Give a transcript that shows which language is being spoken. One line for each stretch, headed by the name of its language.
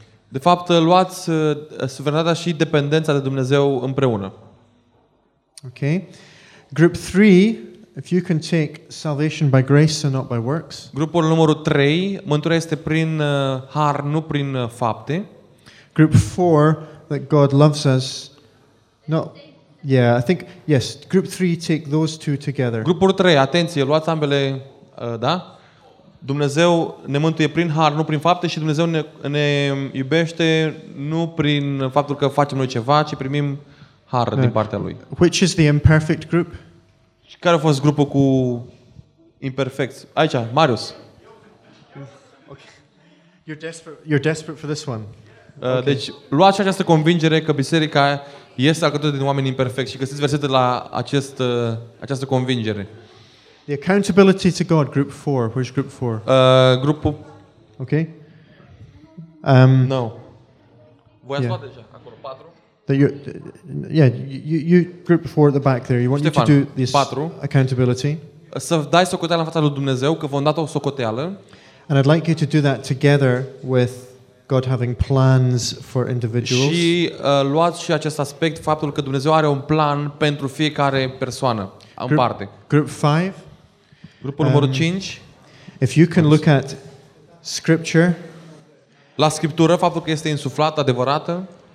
Romanian: De fapt, luați suveranitatea și dependența de Dumnezeu împreună.
English: Okay. Group 3, if you can take salvation by grace and not by works.
Romanian: Grupul numărul 3, mântuirea este prin har, nu prin fapte.
English: Group 4, that God loves us. No. Yeah, I think yes, group 3 take those two together.
Romanian: Grupul 3, atenție, luați ambele, da? Dumnezeu ne mântuie prin har, nu prin fapte, și Dumnezeu ne iubește nu prin faptul că facem noi ceva, ci primim har din partea lui.
English: Which is the imperfect group?
Romanian: Și care a fost grupul cu imperfecți? Aici, Marius.
English: You're desperate for this one. Okay.
Romanian: Deci, luați această convingere că biserica este alcătuită din oameni imperfecți și găsiți versete la această convingere.
English: The accountability to God, group 4. Where's group 4?
Romanian: Grupul.
English: Okay.
Romanian: No. Voi ați luat deja acolo 4.
English: You group 4 at the back there. You want Ștefan, you to do this 4. Accountability.
Romanian: Să dai socoteală în fața lui Dumnezeu că v-am dat o socoteală.
English: And I'd like you to do that together with God having plans for individuals.
Romanian: Și luați și acest aspect, faptul că Dumnezeu are un plan pentru fiecare persoană, în parte.
English: Group 5.
Romanian: Grupul numărul 5.
English: If you can look at scripture.
Romanian: La scriptură, faptul că este insuflată, adevărată.